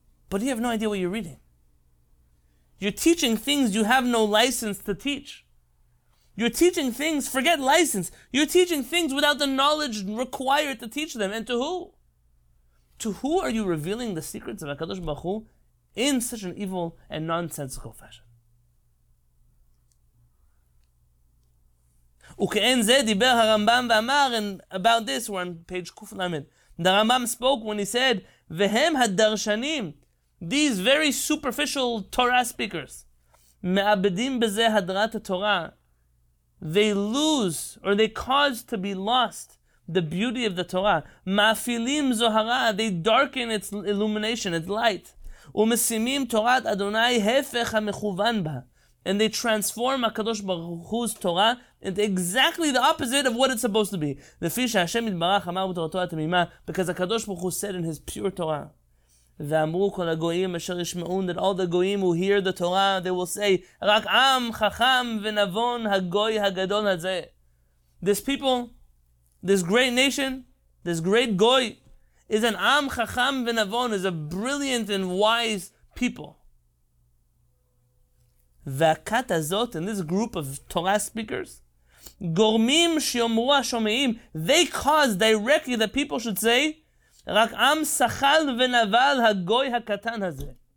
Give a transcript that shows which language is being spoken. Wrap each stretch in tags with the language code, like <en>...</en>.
<en>But you have no idea what you're reading. You're teaching things you have no license to teach. You're teaching things, forget license, you're teaching things without the knowledge required to teach them. And to who? To who are you revealing the secrets of HaKadosh Baruch Hu in such an evil and nonsensical fashion?</en> <he>וכאין זה דיבר הרמב״ם ואמר,</he> <en>and about this, we're on page Kuf Lamed. The Rambam spoke when he said,</en> <he>והם הדרשנים,</he> <en>these very superficial Torah speakers,</en> <he>מאבדים בזה הדרת התורה,</he> <en>they lose, or they cause to be lost, the beauty of the Torah.</en> <he>מאפילים זוהרה,</he> <en>they darken its illumination, its light.</en> <he>ומשימים תורת אדוני הפך המכוון בה.</he> <en>And they transform HaKadosh Baruch Hu's Torah into exactly the opposite of what it's supposed to be. Because HaKadosh Baruch Hu said in his pure Torah,</en> <he>ואמרו כל הגויים אשר ישמעון,</he> <en>that all the goyim who hear the Torah, they will say,</en> <he>רק עם חכם ונבון הגוי הגדול הזה.</he> <en>This people, this great nation, this great goy, is an</en> <he>עם חכם ונבון,</he> <en>is a brilliant and wise people.</en> <he>והקט הזאת,</he> <en>and this group of Torah speakers,</en> <he>גורמים שיומרו השומעים,</he> <en>they cause directly that people should say,</en> <he>רק עם שחל ונבל הגוי הקטן הזה.</he>